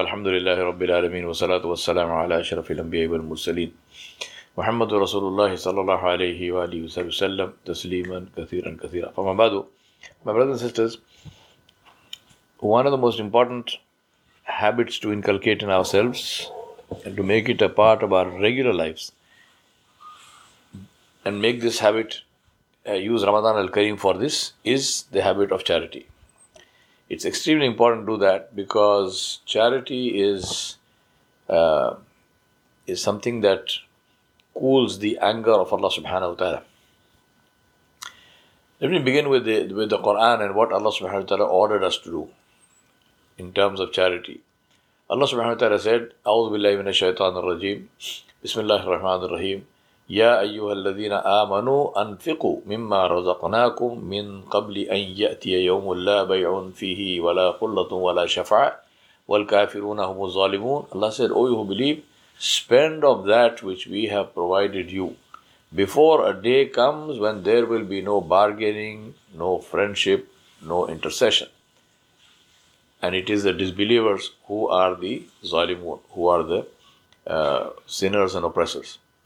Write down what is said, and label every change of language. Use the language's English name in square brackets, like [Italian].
[Arabic] الحمد لله رب العالمين، والصلاة والسلام على أشرف الأنبياء والمرسلين، محمد رسول الله صلى الله عليه وآله وسلم تسليما كثيرا كثيرا. فما بعد، [English] my brothers and sisters, one of the most important habits to inculcate in ourselves and to make it a part of our regular lives and make this habit, use Ramadan al-Kareem for this, is the habit of charity. It's extremely important to do that, because charity is something that cools the anger of Allah subhanahu wa ta'ala. Let me begin with the Quran and what Allah subhanahu wa ta'ala ordered us to do in terms of charity. Allah subhanahu wa ta'ala said, [Arabic] أعوذ بالله من الشيطان الرجيم بسم الله الرحمن الرحيم يا أيها الذين آمنوا أنفقوا مما رزقناكم من قبل أن يأتي يوم لا بيع فيه ولا خلة ولا شفعة والكافرون هم الظالمون. [English] Allah said, O you who believe, spend of that which we have provided you before a day comes when there will be no bargaining, no friendship, no intercession. And it is the disbelievers who are the ظالمون, who are the sinners and oppressors.